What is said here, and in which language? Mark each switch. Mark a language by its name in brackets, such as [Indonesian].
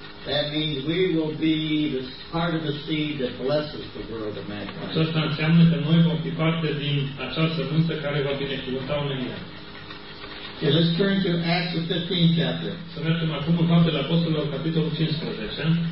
[English] That means we will be the part of the seed that blesses the world of mankind. [Romanian] Aceasta înseamnă că noi vom fi parte din acea sămânță care va binecuvânta omenirea. [English] Okay, let's turn to Acts the 15th chapter. [Romanian] Să mergem acum în Faptele Apostolilor, capitolul 15.